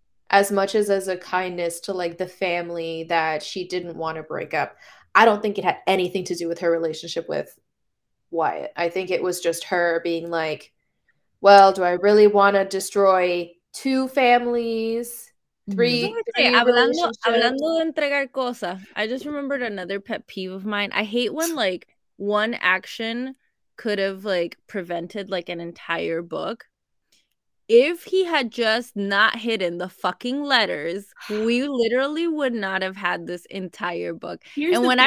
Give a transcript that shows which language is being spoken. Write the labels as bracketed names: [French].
[English] As much as a kindness to like the family that she didn't want to break up. I don't think it had anything to do with her relationship with Wyatt. I think it was just her being like, well, do I really want to destroy two families? Three? [Spanish] Hablando de entregar cosas. [English] I just remembered another pet peeve of mine. I hate when like one action could have like prevented like an entire book. If he had just not hidden the fucking letters, we literally would not have had this entire book. Here's and when thing.